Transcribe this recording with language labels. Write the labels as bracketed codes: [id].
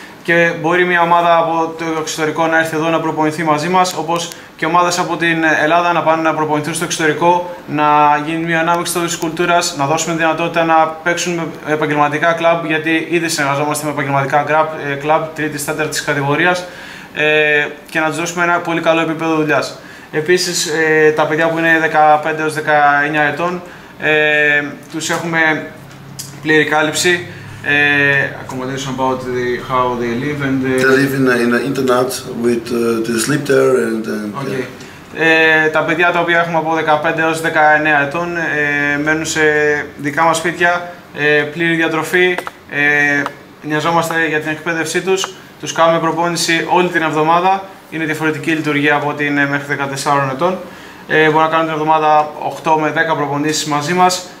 [el] Και μπορεί μια ομάδα από το εξωτερικό να έρθει εδώ να προπονηθεί μαζί μας, όπως και ομάδες από την Ελλάδα να πάνε να προπονηθούν στο εξωτερικό, να γίνει μια ανάμειξη της κουλτούρας, να δώσουμε δυνατότητα να παίξουν επαγγελματικά κλαμπ, γιατί ήδη συνεργαζόμαστε με επαγγελματικά κλαμπ τρίτης, τέταρτης κατηγορίας, και να τους δώσουμε ένα πολύ καλό επίπεδο δουλειάς. Επίσης, τα παιδιά που είναι 15 έως 19 ετών, τους έχουμε πλήρη κάλυψη. [en] Accommodation about the how they live and they live in an internat with they sleep there and okay. [el] Τα παιδιά τα οποία έχουμε από 15 έως 19 ετών μένουν σε δικά μας σπίτια, πλήρη διατροφή, νοιαζόμαστε για την εκπαίδευσή τους, τους κάνουμε προπόνηση όλη την εβδομάδα, είναι διαφορετική η λειτουργία από ότι είναι μέχρι 14 ετών, μπορούν να κάνουν την εβδομάδα 8 με 10 προπονήσεις μαζί μας.